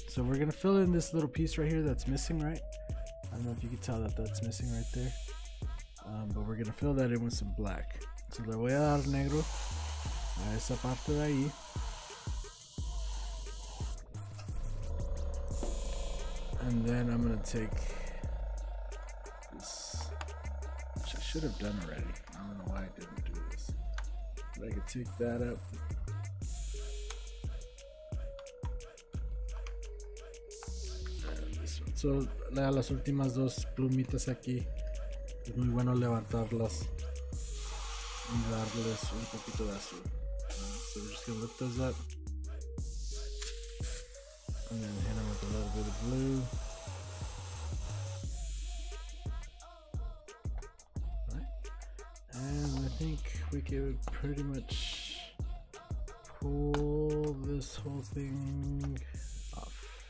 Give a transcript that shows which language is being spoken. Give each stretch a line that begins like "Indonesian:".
English: So, we're going to fill in this little piece right here that's missing, right? I don't know if you can tell that's missing right there. But we're gonna fill that in with some black.
Spanish: So le voy a dar negro a esa parte de ahí.
English: And then I'm gonna take this, which I should have done already. I don't know why I didn't do this. But I could take that up.
Spanish: So las últimas dos plumitas aquí. Es muy bueno levantarlas y darles un poquito de azul.
English: So we're just gonna lift those up. And then hit them with a little bit of blue. And I think we could pretty much pull this whole thing off.